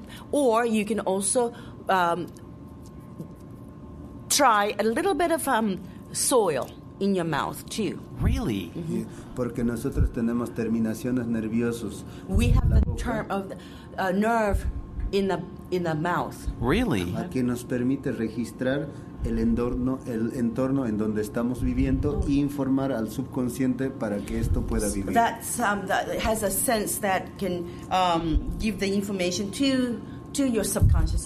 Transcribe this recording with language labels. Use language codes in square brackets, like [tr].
[en] Or you can also try a little bit of soil in your mouth too. Really? [es] Mm-hmm. Yeah, porque nosotros tenemos terminaciones nerviosas. [en] We have the term of the, nerve in the mouth. Really? [es] A que nos permite registrar el entorno en donde estamos viviendo e informar al subconsciente para que esto pueda vivir. [en] That's, that has a sense that can give the information to your subconscious